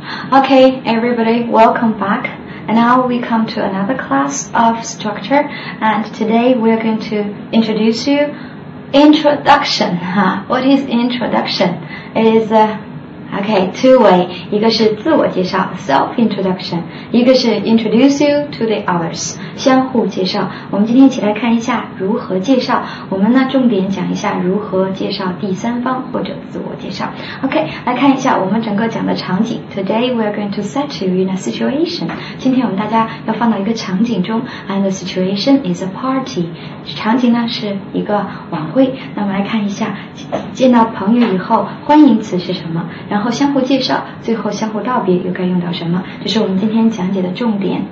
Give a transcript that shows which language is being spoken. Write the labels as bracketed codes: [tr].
[en] Okay, everybody, welcome back. Now we come to another class of structure, and today we are going to introduce you introduction. What is introduction? It is two way. [zh] 一个是自我介绍 self-introduction, 一个是 [en] introduce you to the others, [zh] 相互介绍。我们今天一起来看一下如何介绍。我们呢重点讲一下如何介绍第三方或者自我介绍。 OK, 来看一下我们整个讲的场景。 [en] Today we are going to set you in a situation. [zh] 今天我们大家要放到一个场景中 [en] and the situation is a party. [zh] 场景呢是一个晚会。那我们来看一下见到朋友以后欢迎词是什么。然后相互介绍，最后相互道别又该用到什么，这是我们今天讲解的重点。